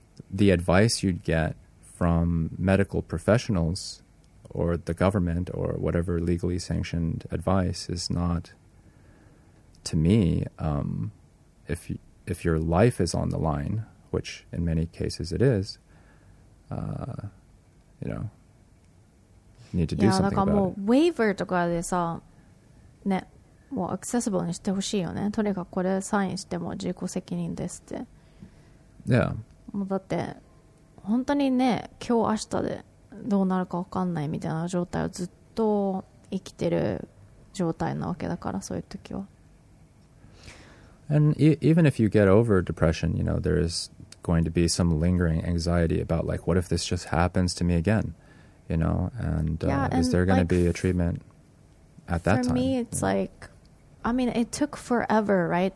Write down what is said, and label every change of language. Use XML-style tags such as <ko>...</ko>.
<en>the advice you'd get from medical professionals or the government or whatever legally sanctioned advice is not, to me, if your life is on the line, which in many cases it is, you know, need to do something about it.</en> <ja>いや、だからもう waiver とかでさ、ね、もうアクセシブルにしてほしいよね。とにかくこれサインしても自己責任ですって。</ja> <en>Yeah.</en> <ja>もうだって本当にね、今日明日でどうなるか分かんないみたいな状態をずっと生きてる状態なわけだから、そういう時は。</ja> <en>And even if you get over depression, you know, there is going to be some lingering anxiety about like, what if this just happens to me again, you know, and, yeah, and is there going like, to be a treatment at that for time? For me, it's like, I mean, it took forever, right?</en>